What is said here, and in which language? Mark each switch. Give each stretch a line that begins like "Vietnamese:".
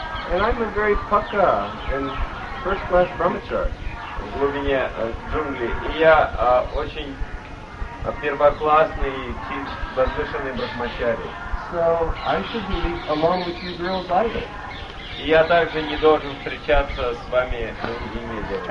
English: And I'm a very pukka and first-class brahmachar.
Russian: В глубине джунглей. И я очень первоклассный и возвышенный брахмачари.
English: So I shouldn't be along with you girls either.
Russian: И я также не должен встречаться с вами другими девушками.